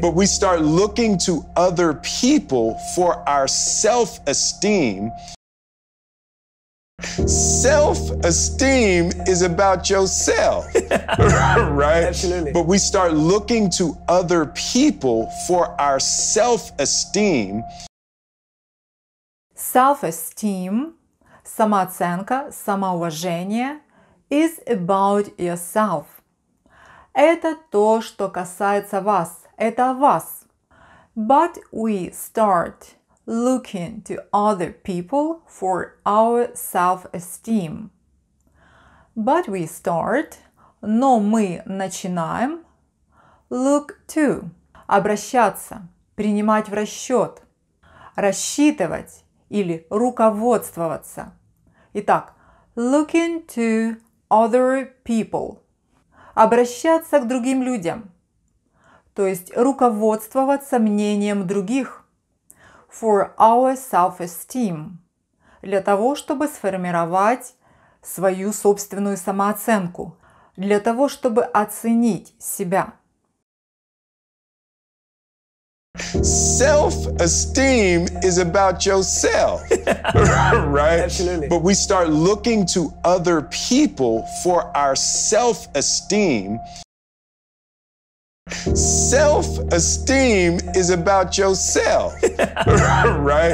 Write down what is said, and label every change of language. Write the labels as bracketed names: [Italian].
[English] But we start looking to other people for our self-esteem. Self-esteem is about yourself, right? Absolutely. But we start looking to other people for our self-esteem. [Russian] Self-esteem, самооценка, самоуважение. [English] Is about yourself. [Russian] Это то, что касается вас. Это вас. [English] But we start looking to other people for our self-esteem. But we start, [Russian] но мы начинаем [English] look to, [Russian] обращаться, принимать в расчет, рассчитывать или руководствоваться. Итак, [English] looking to other people. [Russian] Обращаться к другим людям. То есть руководствоваться мнением других. [English] For our self-esteem. [Russian] Для того, чтобы сформировать свою собственную самооценку. Для того, чтобы оценить себя. [English] Self-esteem is about yourself, right? Absolutely. But we start looking to other people for our self-esteem. Self-esteem is about yourself, right?